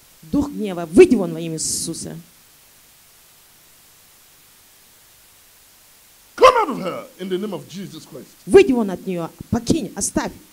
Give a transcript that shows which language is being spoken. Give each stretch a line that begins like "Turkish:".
Russian: Дух гнева, выйди вон во имя Иисуса.
English: Come out of her in the name of Jesus Christ.
Russian: Выйди вон от нее, покинь, оставь.